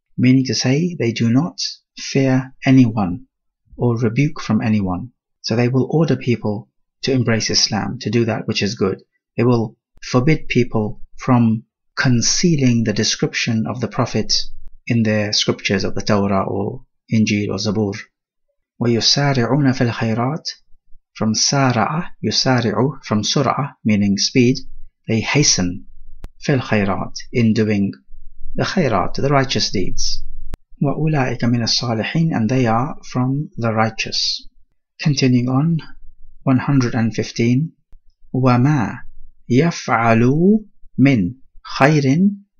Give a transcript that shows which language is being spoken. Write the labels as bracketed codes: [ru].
[en] Meaning to say they do not fear anyone or rebuke from anyone. So they will order people to embrace Islam, to do that which is good. They will forbid people from concealing the description of the Prophet in their scriptures of the Torah or Injil or Zabur. [ar] وَيُسَارِعُونَ فِي الْخَيْرَاتِ from سَارَعَ يُسَارِعُ from سُرْعَ [en] meaning speed. They hasten [ar] فِي الْخَيْرَاتِ [en] in doing the خَيْرَاتِ the righteous deeds. [ar] وَأُولَٰئِكَ مِنَ الصَّالِحِينَ [en] and they are from the righteous. Continuing on, [ar] 115. وَمَا يَفْعَلُوا مِنْ خَيْرٍ